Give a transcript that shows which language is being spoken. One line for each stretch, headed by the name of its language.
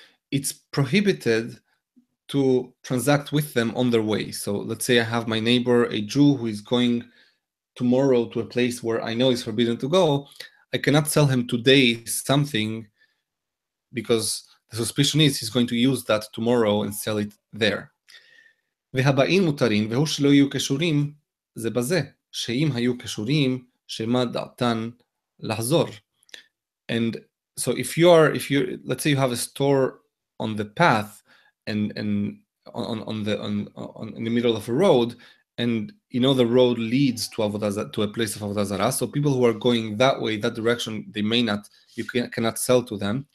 English: It's prohibited to transact with them on their way. So let's say I have my neighbor, a Jew, who is going tomorrow to a place where I know is forbidden to go. I cannot sell him today something because the suspicion is he's going to use that tomorrow and sell it there.
Hebrew: והבאים מותרים, והוא שלא יהיו קשורים, זה בזה, שאם היו קשורים, שמה דעתן לחזור.
English: And so let's say you have a store on the path and in the middle of a road, and you know the road leads to to a place of Avodah Zarah, so people who are going that way, that direction, they may not, cannot sell to them.